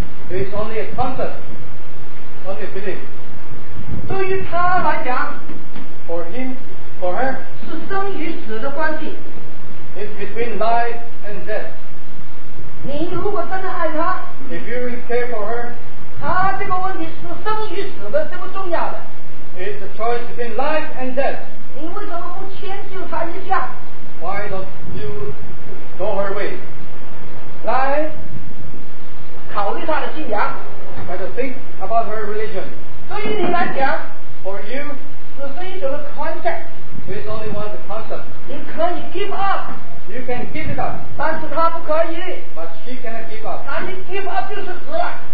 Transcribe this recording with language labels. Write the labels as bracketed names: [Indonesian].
[English] It's only a concept Only a belief [Chinese] 对于他来讲 [English] For him, for her [Chinese] 是生与死的关系 [English] It's between life and death [Chinese] 你如果真的爱他 [English] If you really care for her [Chinese] 他这个问题是生与死的这不重要的 [English] It's a choice between life and death [Chinese] 你为什么不迁就他一下 [English] Why don't you go her way [Chinese] 来考虑他的信仰 [English] Try to think about her religion [Chinese] 对于你来讲 [English] For you [Chinese] 只是一种 concept [English] It's only one concept You can give up You can give it up. [Chinese] 但是他不可以。 [English] But she cannot give up. [Chinese] 那你 [English] give up [Chinese] 就是死了。